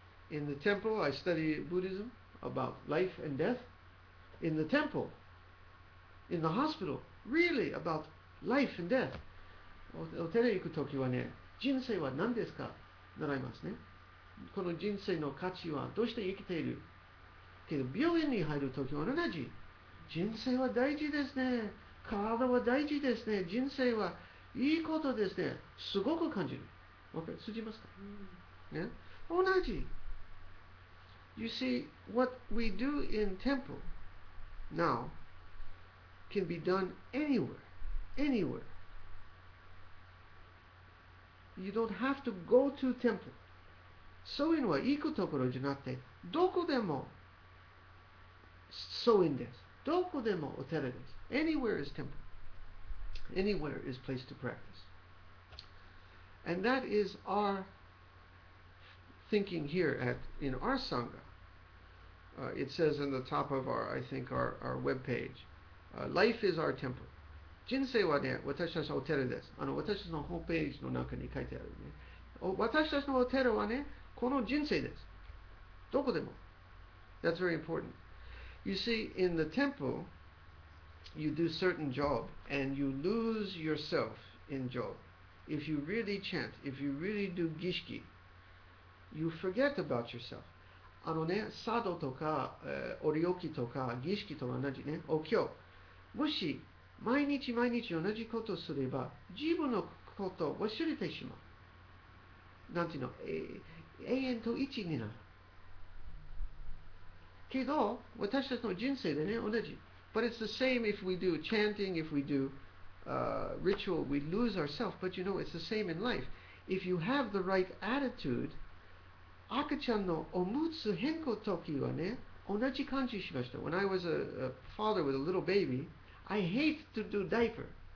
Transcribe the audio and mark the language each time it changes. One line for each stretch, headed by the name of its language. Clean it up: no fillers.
English: In the temple, I study Buddhism about life and death. In the temple, in the hospital, really about life and death.
Japanese: お寺行くときはね、人生は何ですか?習いますね。この人生の価値はどうして生きているけど、病院に入るときは同じ。人生は大事ですね。体は大事ですね。人生はいいことですね。すごく感じる。 OK、通じますか、ね、同じ。
English: You see, what we do in temple now can be done anywhere, anywhere. You don't have to go to temple.
Japanese: ソウインは行くところじゃなくて、どこでもソウインです。どこでもお寺です。
English: Anywhere is temple. Anywhere is place to practice. And that is our thinking here in our Sangha. It says in the top of our webpage, life is our temple.
Japanese: 人生はね、私たちのお寺です。あの、私たちのホームページの中に書いてあるね。私たちのお寺はね、この人生です。どこでも。
English: That's very important. You see, in the temple, you do certain job, and you lose yourself in job. If you really chant, if you really do gishiki, you forget about yourself.
Japanese: あのね、サドとか、オリオキとか、儀式とか同じね、お経。もし、毎日毎日同じことをすれば、自分のことを忘れてしまう。なんていうの、永遠と一になる。けど、私たちの人生でね、同じ。
English: But it's the same if we do chanting, if we do ritual, we lose ourselves. But you know, it's the same in life. If you have the right attitude,
Japanese: 赤ちゃんのおむつ変更時はね、同じ感じしました。
English: When I was a father with a little baby,I hate to do diaper.